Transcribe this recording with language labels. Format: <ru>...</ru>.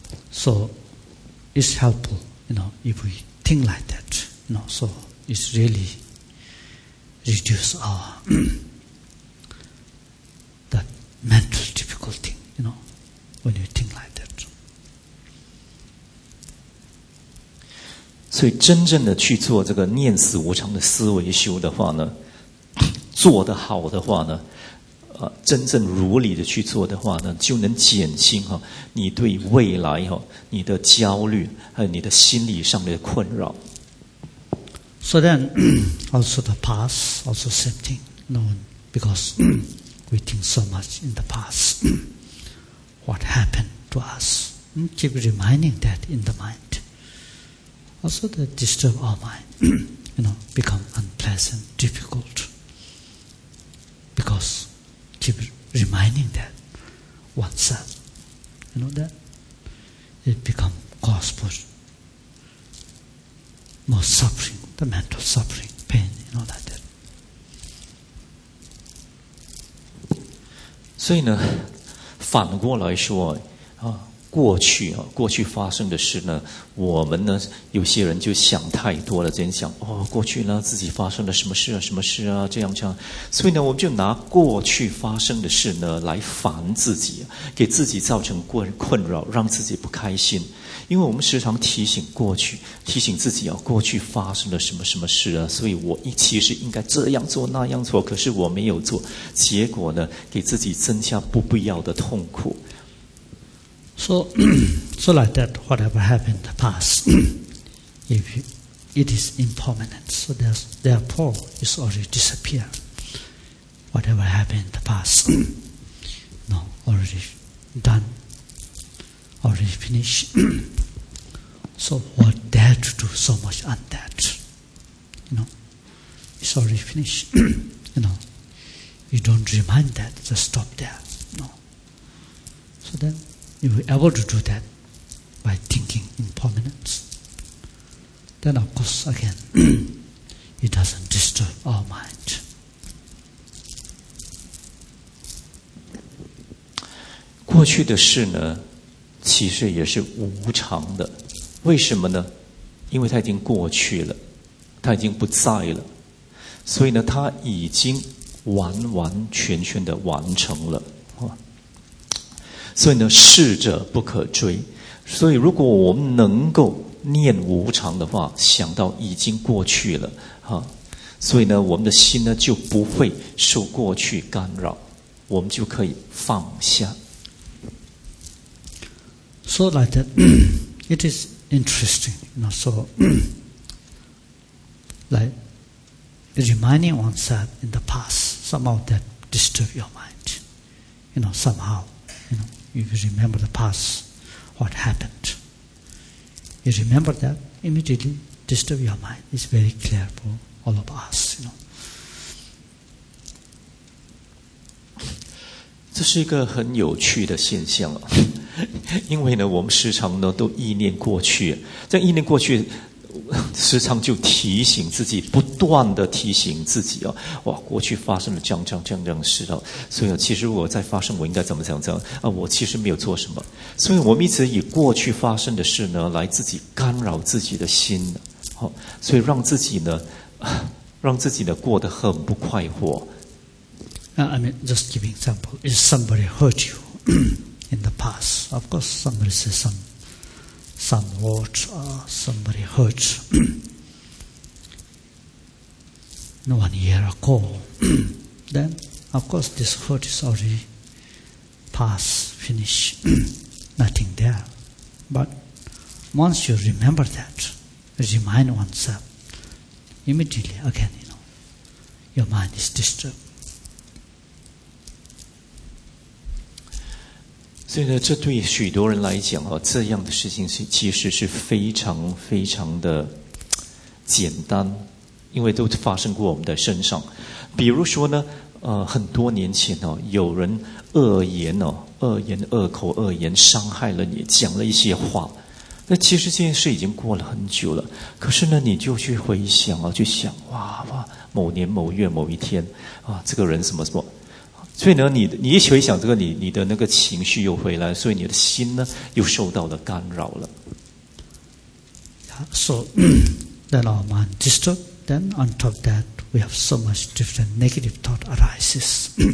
<en>So it's helpful, you know, if we think like that, you know, so it's really reduce our that mental difficulty, you know, when you think like that.</en> <zh>所以真正的去做这个念死无常的思维修的话呢，做得好的话呢，真正如理的去做的话呢，就能减轻，你对未来，你的焦虑还有你的心理上面的困扰。</zh> <en>So then, also the past, also same thing, known because we think so much in the past, what happened to us, keep reminding that in the mind. Also, the disturb our mind, you know, become unpleasant, difficult. Because keep reminding that oneself, you know, that it become cause for more suffering, the mental suffering, pain, you know, like that.</en> <zh>所以呢，反过来说，过去，过去发生的事呢，我们呢，有些人就想太多了，在想哦，过去呢自己发生了什么事啊，什么事啊，这样，所以呢，我们就拿过去发生的事呢来烦自己，给自己造成困扰，让自己不开心，因为我们时常提醒过去，提醒自己啊，过去发生了什么什么事啊，所以我其实应该这样做那样做，可是我没有做，结果呢，给自己增加不必要的痛苦。</zh> <en>So like that, whatever happened in the past, it is impermanent, so therefore it's already disappeared. Whatever happened in the past, no, already done, already finished. So what dare to do so much on that? You know, it's already finished. You know, you don't remind that, just stop there. No. So then,If we are able to do that by thinking impermanence, then of course, again, it doesn't disturb our mind.</en> <zh>过去的事呢，其实也是无常的。为什么呢？因为它已经过去了，它已经不在了，所以呢，它已经完完全全的完成了。所以呢，逝者不可追。所以，如果我们能够念无常的话，想到已经过去了，所以呢，我们的心呢就不会受过去干扰，我们就可以放下。</zh> <en>So like that, it is interesting. Not so like reminding oneself in the past, somehow that disturb your mind. You know, somehow. If you remember the past, what happened. You remember that, immediately disturb your mind. It's very clear for all of us, you know.</en> <zh>这是一个很有趣的现象，因为呢，我们时常呢都意念过去，这意念过去时常就提醒自己，不断的提醒自己，哇，过去发生了这样的事，所以，其实我在发生我应该怎么讲，我其实没有做什么，所以我们一直以过去发生的事呢来自己干扰自己的心，所以让自己呢过得很不快活。</zh> <en>I mean, just give an example. If somebody hurt you in the past, of course somebody says some words or somebody hurt one year ago, then Of course, this hurt is already past, finished, nothing there. But once you remember that, remind oneself, immediately again, you know, your mind is disturbed.</en> <zh>所以呢，这对许多人来讲哦，这样的事情是其实是非常非常的简单，因为都发生过我们的身上。比如说呢，很多年前哦，有人恶言哦，恶言恶口恶言伤害了你，讲了一些话。那其实这件事已经过了很久了，可是呢，你就去回想哦，去想哇哇，某年某月某一天啊，这个人什么什么。所以呢，你一回想这个，你的那个情绪又回来，所以你的心呢又受到了干扰了。</zh> <en>So then our mind disturbed. Then on top of that, we have so much different negative thought arises.</en>